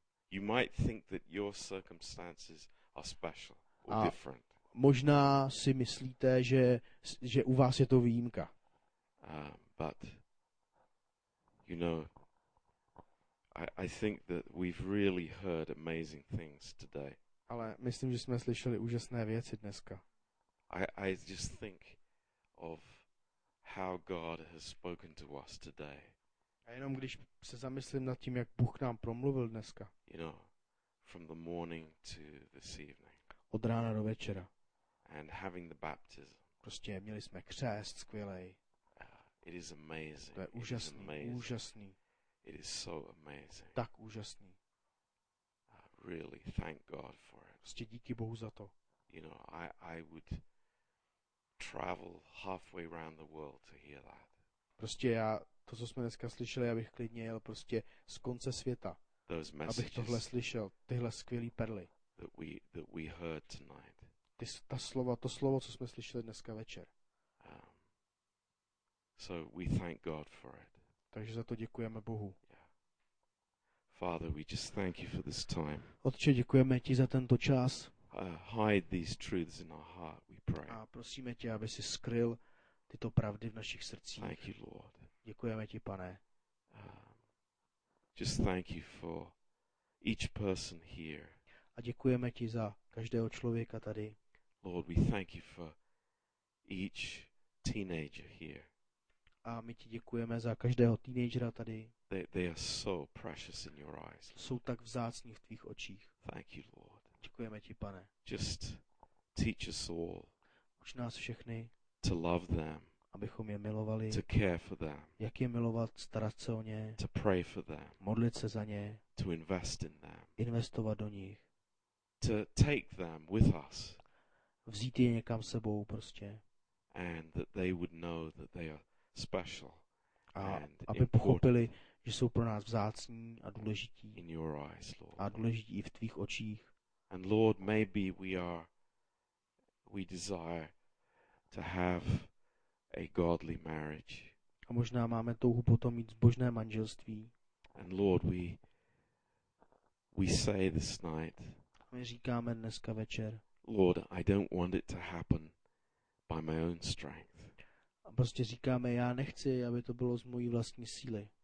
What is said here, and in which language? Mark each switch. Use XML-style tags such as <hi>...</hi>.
<en>You might think that your circumstances are special or different.</en> <cs>Možná si myslíte, že u vás je to výjimka.</cs> <en>But you know, I think that we've really heard amazing things today.</en> <cs>Ale myslím, že jsme slyšeli úžasné věci dneska.</cs> <en>I just think of how God has spoken to us today.</en> <cs>A jenom když se zamyslím nad tím, jak Bůh k nám promluvil dneska.</cs> <en>You know, from the morning to this evening.</en> <cs>Od rána do večera.</cs> <en>And having the baptism.</en> <cs>Prostě měli jsme křest, skvělej.</cs> <en>It is amazing.</en> <cs>To je úžasný, úžasný.</cs> <en>It is so amazing.</en> <cs>Tak úžasný.</cs> <en>Really, thank God for it.</en> <cs>Prostě díky Bohu za to.</cs> <en>You know, I would travel halfway around the world to hear that.</en> <cs>Prostě já to, co jsme dneska slyšeli, já bych klidně jel prostě z konce světa, abych tohle slyšel, tyhle skvělé perly.</cs> <en>That we heard tonight.</en> <cs>Ta slova, to slovo, co jsme slyšeli dneska večer.</cs> <en>So we thank God for it.</en> <cs>Takže za to děkujeme Bohu.</cs> <en>Yeah. Father, we just thank you for this time.</en> <cs>Otče, děkujeme ti za tento čas.</cs> <en>Hide these truths in our heart, we pray.</en> <cs>A prosíme tě, aby si skryl tyto pravdy v našich srdcích.</cs> <en>Thank you, Lord.</en> <cs>Děkujeme ti, Pane.</cs> <en>Just thank you for each person here.</en> <cs>A děkujeme ti za každého člověka tady.</cs> <en>Lord, we thank you for each teenager here.</en> <cs>A my ti děkujeme za každého teenagera tady.</cs> <en>They are so precious in your eyes.</en> <cs>Jsou tak vzácní v tvých očích.</cs> <en>Thank you, Lord.</en> <cs>Děkujeme ti, Pane.</cs> <en>Just teach us all.</en> <cs>Uč nás všechny.</cs> <en>To love them.</en> <cs>Abychom je milovali.</cs> <en>To care for them.</en> <cs>Jak je milovat, starat se o ně.</cs> <en>To pray for them.</en> <cs>Modlit se za ně.</cs> <en>To invest in them.</en> <cs>Investovat do nich.</cs> <en>To take them with us.</en> <cs>Vzít je někam sebou prostě.</cs> <en>And that they would know that they are special.</en> <cs>A aby pochopili, že jsou pro nás vzácní a důležití.</cs> <en>In your eyes, Lord.</en> <cs>A důležití i v tvých očích.</cs> <en>And Lord, maybe we desire to have a godly marriage.</en> <cs>A možná máme touhu potom mít zbožné manželství.</cs> <en>And Lord, we say this night.</en> <cs>My říkáme dneska večer.</cs> <en>Lord, I don't want it to happen by my own strength.</en> <cs>A prostě říkáme, já nechci, aby to bylo z mojí vlastní síly.</cs>